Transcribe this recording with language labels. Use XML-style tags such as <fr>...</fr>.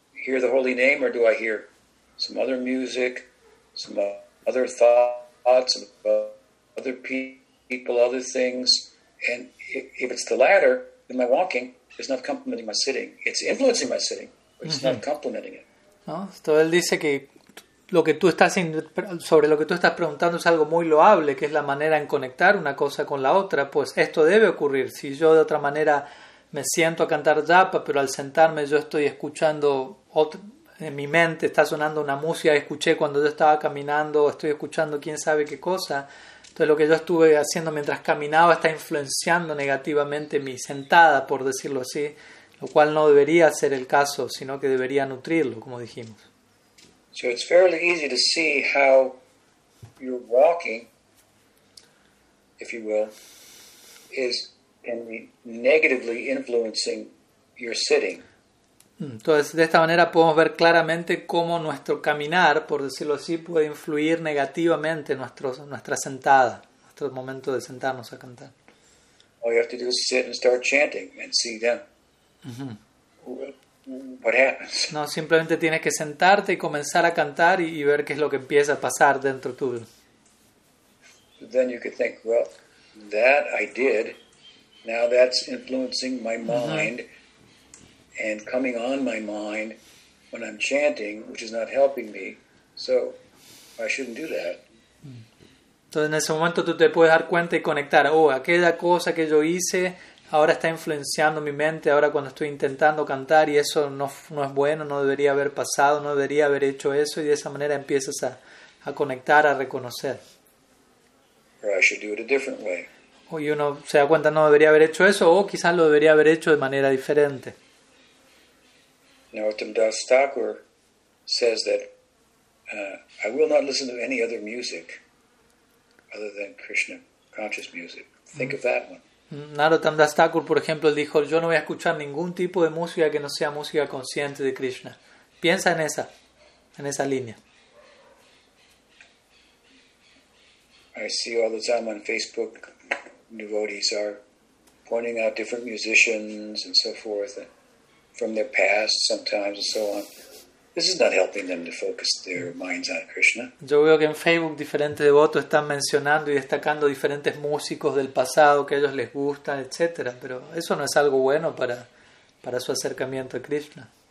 <en>hear the holy name, or do I hear some other music, some other thoughts, other people, other things? And if it's the latter, then my walking is not complementing my sitting. It's influencing my sitting, but it's not complementing it.</en> <es>No, todo él dice que lo que tú estás sobre lo que tú estás preguntando es algo muy loable, que es la manera en conectar una cosa con la otra. Pues esto debe ocurrir. Si yo de otra manera me siento a cantar japa, pero al sentarme yo estoy escuchando en mi mente está sonando una música que escuché cuando yo estaba caminando, estoy escuchando quién sabe qué cosa. Entonces lo que yo estuve haciendo mientras caminaba está influenciando negativamente mi sentada, por decirlo así, lo cual no debería ser el caso, sino que debería nutrirlo, como dijimos.</es> <en>So it's fairly easy to see how your walking, if you will, is negatively influencing your sitting.</en> <es>Entonces, de esta manera podemos ver claramente cómo nuestro caminar, por decirlo así, puede influir negativamente nuestra sentada, nuestro momento de sentarnos a cantar.</es> <en>All you have to do is sit and start chanting and see then. What happens?</en> <es>No, simplemente tienes que sentarte y comenzar a cantar y ver qué es lo que empieza a pasar dentro tuyo.</es> <en>Then you could think, well, that I did. Now that's influencing my mind and coming on my mind when I'm chanting, which is not helping me. So I shouldn't do that.</en> <es>Entonces en ese momento tú te puedes dar cuenta y conectar. Oh, aquella cosa que yo hice ahora está influenciando mi mente, ahora cuando estoy intentando cantar, y eso no es bueno, no debería haber pasado, no debería haber hecho eso, y de esa manera empiezas a conectar, a reconocer.</es> <en>Or I should do it a different way.</en> <es>O y uno se da cuenta, no debería haber hecho eso, o quizás lo debería haber hecho de manera diferente.</es> <en>Narottam Das Thakur says that I will not listen to any other music other than Krishna conscious music. Think of that one.</en> <es>Narottam Das Thakur, por ejemplo, dijo, yo no voy a escuchar ningún tipo de música que no sea música consciente de Krishna. Piensa en esa línea.</es> <en>I see all the time on Facebook, devotees are pointing out different musicians and so forth, and from their past sometimes and so on. This is not helping them to focus their minds on Krishna.</en> <es>Yo veo que en Facebook diferentes devotos están mencionando y destacando diferentes músicos del pasado que a ellos les gustan, etc. Pero eso no es algo bueno para su acercamiento a Krishna.</es>